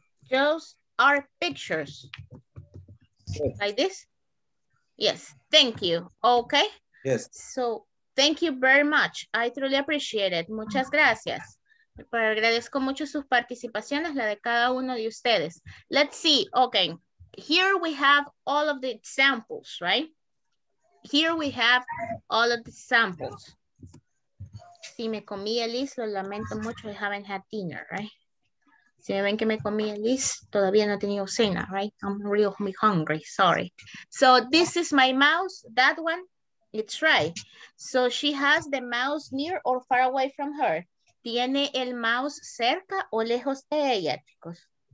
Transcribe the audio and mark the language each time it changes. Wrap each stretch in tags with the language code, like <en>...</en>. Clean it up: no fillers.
<en>Those are pictures. like this? Yes, thank you. Okay. Yes. So thank you very much. I truly appreciate it.</en> <es>Muchas gracias. Pero agradezco mucho sus participaciones, la de cada uno de ustedes.</es> <en>Let's see. Okay. Here we have all of the examples, right? Here we have all of the samples.</en> <es>Si me comí el list, lo lamento mucho,</es> <en>I haven't had dinner, right?</en> <es>Si me ven que me comí el list, todavía no he tenido cena, right?</es> <en>I'm really hungry, sorry. So this is my mouse, that one, it's right. So she has the mouse near or far away from her.</en> <es>¿Tiene el mouse cerca o lejos de ella, chicos?</es>